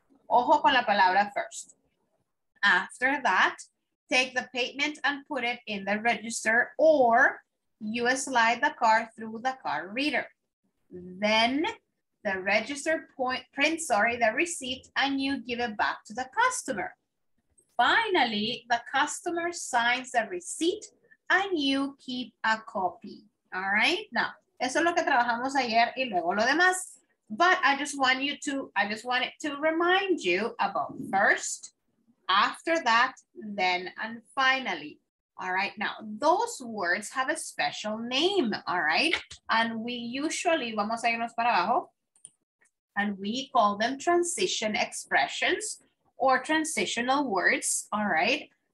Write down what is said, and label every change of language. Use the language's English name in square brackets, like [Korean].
[Spanish] Ojo con la palabra [English] first. After that, take the payment and put it in the register or you slide the card through the card reader. Then, the register print, sorry, the receipt, and you give it back to the customer. finally, the customer signs the receipt and you keep a copy. All right, now, [Spanish] eso es lo que trabajamos ayer y luego lo demás. [English] But I just want you to, I just wanted to remind you about first, after that, then, and finally. All right, now, those words have a special name, all right? And we usually, [Spanish] vamos a irnos para abajo, [English] and we call them transition expressions or transitional words, all right?